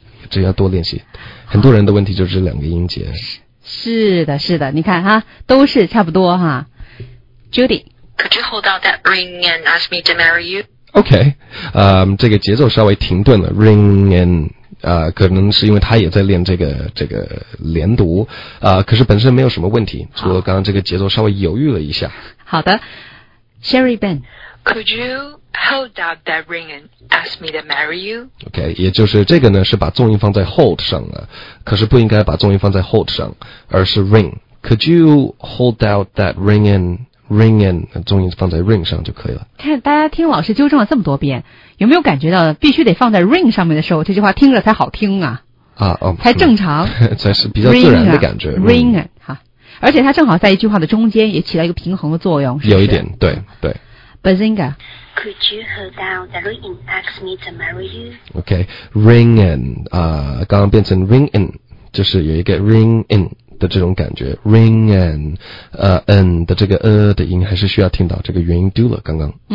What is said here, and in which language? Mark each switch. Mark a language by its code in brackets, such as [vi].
[zh] 这要多练习很多人的问题就是两个音节是的是的你看哈都是差不多哈 Judy [en] Could you hold out that ring and ask me to marry you? [zh] Okay、这个节奏稍微停顿了 ring and、可能是因为他也在练这个连读、可是本身没有什么问题除了刚刚这个节奏稍微犹豫了一下好的 Sherry Ben [en] Could youHold out that ring and ask me to marry you. Okay, [zh] 也就是这个呢是把重音放在 hold 上了可是不应该把重音放在 hold 上而是 ring. [en] Could you hold out that ring in, [zh] 重音放在 ring 上就可以了。看大家听老师纠正了这么多遍有没有感觉到必须得放在 ring 上面的时候这句话听着才好听啊。啊哦。才正常。才是比较自然的感觉。 [en] Ring, [zh] 哈、啊。而且它正好在一句话的中间也起到一个平衡的作用是不是有一点对对。 [en] Bazinga. Could you hold out the ring and ask me to marry you? Okay, ring in, [zh] 刚刚变成 [en] ring in, [zh] 就是有一个 ring in 的这种感觉 ring in n 的这个的音还是需要听到这个元音 do 了刚刚